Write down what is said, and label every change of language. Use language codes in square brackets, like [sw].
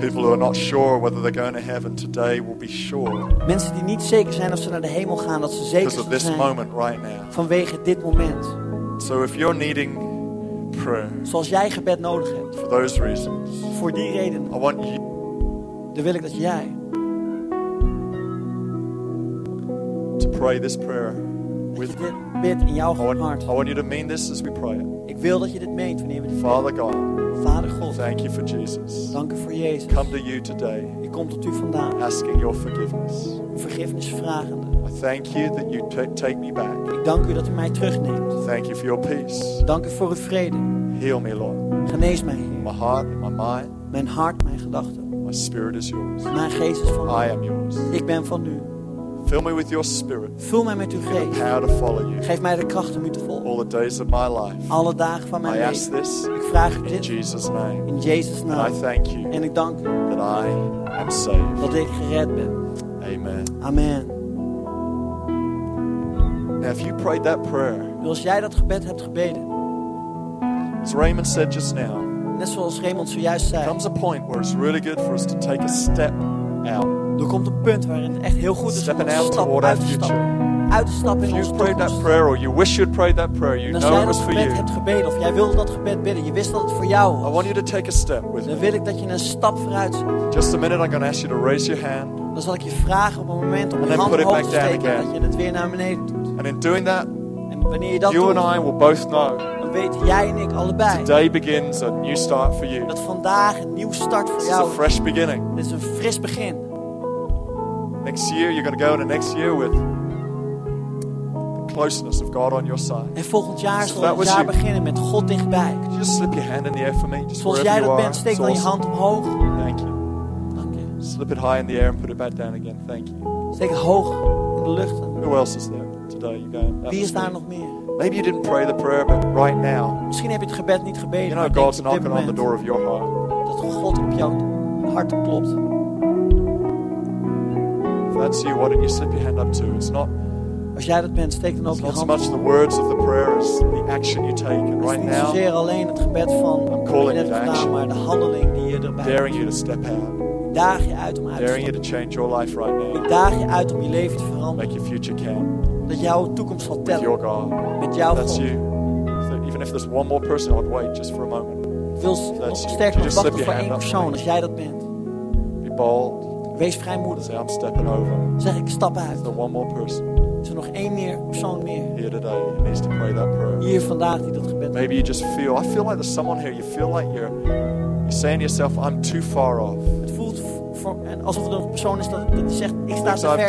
[en] People who are not sure whether they're going to heaven today will be sure. [nl] Mensen die niet zeker zijn of ze naar de hemel gaan, dat ze zeker zullen zijn. [en] Because of this moment right now. [nl] Vanwege dit moment. [en] So if you're needing prayer. [nl] Zoals jij gebed nodig hebt. [en] For those reasons. [nl] Voor die reden. [en] I want you. [nl] Dan wil ik dat jij. [en] Pray this prayer with [nl] bid in jouw hart. [en] I want you to mean this as we pray. [nl] Ik wil dat je dit meent wanneer we dit [en] Father God. [nl] Vader God. [en] Thank you for Jesus. [nl] Dank u voor Jezus. [en] Come to you today. [nl] Ik kom tot u vandaag. [en] Asking your forgiveness. [nl] Vergiffenis vragende. [en] I thank you that you take me back. [nl] Ik dank u dat u mij terugneemt. [en] Thank you for your peace. [nl] Dank u voor uw vrede. [en] Heal me, Lord. [nl] Genees mij, Heer. [en] My heart and my mind. [nl] Mijn hart, mijn gedachten. [en] My spirit is yours. [nl] Mijn geest is van u. [en] I am yours. [nl] Ik ben van u. [en] Fill me with your spirit. [nl] Vul mij met uw geest. [en] The power to follow you. [nl] Geef mij de kracht om u te volgen. [en] All the days of my life. [nl] Alle dagen van mijn [en] I ask this [nl] leven. Ik vraag [en] in Jesus' name. [nl] In Jezus' naam. [en] And I thank you. [nl] En ik dank u. [en] That I am saved. [nl] Dat ik gered ben. [en] Amen. [nl] Amen. [en] Now if you prayed that prayer. [nl] Als jij dat gebed hebt gebeden. [en] As Raymond said just now. [nl] Net zoals Raymond zojuist zei. [en] Comes a point where it's really good for us to take a step out. [nl] Er komt een punt waarin het echt heel goed is om te stappen, uit te stappen. Uit te stappen in [en] you [nl] onze [en] prayed that prayer or you wish you'd prayed that prayer, you know it was for you. [nl] Als jij dat gebed hebt gebeden of jij wilde dat gebed bidden, je wist dat het voor jou was. [en] I want you to take a step with [nl] dan wil ik dat je een stap vooruit zet. [en] Just a minute, I'm going to ask you to raise your hand. [nl] Dan zal ik je vragen op een moment om je hand omhoog te steken en dat je het weer naar beneden doet. [en] And in doing that, [nl] en wanneer je dat [en] you [nl] doet, [en] and I will both know. [nl] Dan weten jij en ik allebei. [en] Today begins a new start for you. [nl] Dat vandaag een nieuw start voor jou. [en] It's a fresh beginning. [nl] Dit is een fris begin. [en] Next year, you're going to go into next year with the closeness of God on your side. [nl] En volgend jaar zal het jaar beginnen met God dichtbij. [en] Could you just slip your hand in the air for me? Just [nl] zoals jij dat bent, steek dan je hand omhoog. [en] Thank you. [nl] Dank je. [en] Slip it high in the air and put it back down again. Thank you. [nl] Steek het hoog in de lucht. [en] Who else is there today? You going? [nl] Wie is daar nog meer? [en] Maybe you didn't pray the prayer, but right now. [nl] Misschien heb je het gebed niet gebeden. [en] You know, God's knocking on the door of your heart. [nl] Dat God op jouw hart klopt. [en] That's you. Why don't you slip your hand up too? It's not. [nl] Als jij dat bent, steek dan ook je hand. [en] It's not so much the words of the prayer as the action you take. And right now, I'm calling you to action. Daring you to step out. [nl] daag je uit om uit te stappen. [en] You to change your life right now. [nl] Ik daag je uit om je leven te veranderen. [en] Make your future count. [nl] Dat jouw toekomst zal tellen. [en] With your God. [nl] Met jouw [en] That's [nl] God. [en] You. So even if there's one more person, I'd wait just for a moment. [nl] Wil sterker nog wachten voor één persoon, als jij dat bent. [en] Be bold. [nl] Wees vrijmoedig. [en] Say, I'm stepping over. [nl] Zeg, ik stap uit. [en] There's one more person. [nl] Is er nog één meer persoon meer? [en] Here today, he needs to pray that prayer. [nl] Hier vandaag die dat gebed. [en] Maybe you just feel. I feel like there's someone here. You feel like you're saying to yourself, I'm too far off. [nl] Het voelt en alsof er een persoon is dat zegt, ik sta te ver